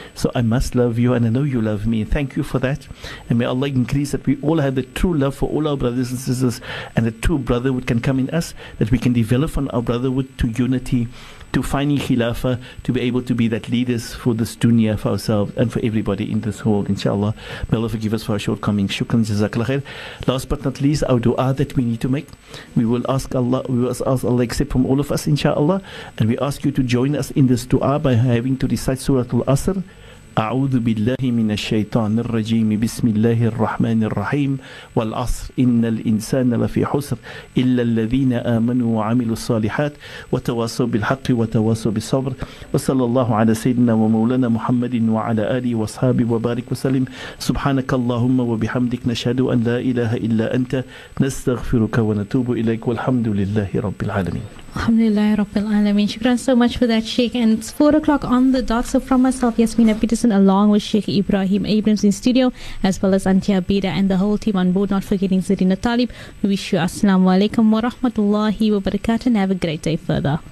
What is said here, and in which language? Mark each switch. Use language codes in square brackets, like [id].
[en] So I must love you, and I know you love me. Thank you for that. And may Allah increase that we all have the true love for all our brothers and sisters, and the true brotherhood can come in us, that we can develop on our brotherhood to unity, to finding khilafah, to be able to be that leaders for this dunya, for ourselves and for everybody in this world, inshallah. May Allah forgive us for our shortcomings. Shukran jazakallah khair. Last but not least, our dua that we need to make. We will ask Allah accept from all of us, inshallah. And we ask you to join us in this dua by having to recite Surah Al-Asr. [ar] أعوذ بالله من الشيطان الرجيم بسم الله الرحمن الرحيم والعصر إن الإنسان لفي حسر إلا الذين آمنوا وعملوا الصالحات وتواصوا بالحق وتواصوا بالصبر وصلى الله على سيدنا ومولانا محمد وعلى آله وصحابه وبارك وسلم سبحانك اللهم وبحمدك نشهد أن لا إله إلا أنت نستغفرك ونتوب إليك والحمد لله رب العالمين. [en] Alhamdulillah, Rabbil Alameen. Shukran so much for that, Sheikh. And it's 4 o'clock on the dot. So from myself, Yasmina Peterson, along with Sheikh Ibrahim Abrams in studio, as well as Auntie Abida and the whole team on board, not forgetting Zarina Talib, we wish you assalamu alaikum wa rahmatullahi wa barakatuh, and have a great day further.